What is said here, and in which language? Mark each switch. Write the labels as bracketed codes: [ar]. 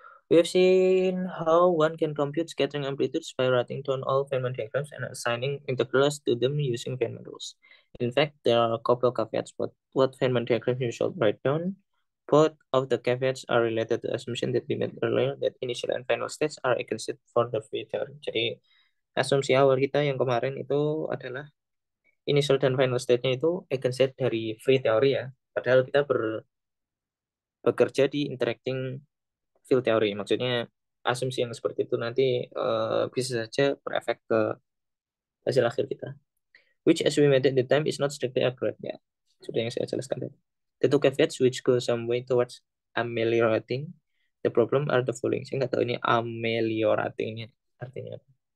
[en] We have seen how one can compute scattering amplitudes by writing down all Feynman diagrams and assigning integrals to them using Feynman rules. In fact, there are a couple caveats about what Feynman diagrams you should write down. Both of the caveats are related to assumption that we made earlier that initial and final states are explicit for the free theory. [id] Jadi asumsi awal kita yang kemarin itu adalah initial dan final state-nya itu explicit dari free theory ya. Padahal kita bekerja di interacting field theory. Maksudnya asumsi yang seperti itu nanti bisa saja berefek ke hasil akhir kita. [en] Which as we made at the time is not strictly accurate ya. [id] Sudah yang saya jelaskan tadi. The two caveats which go some way towards ameliorating the problem are the following. Saya nggak tahu ini amelioratingnya artinya apa.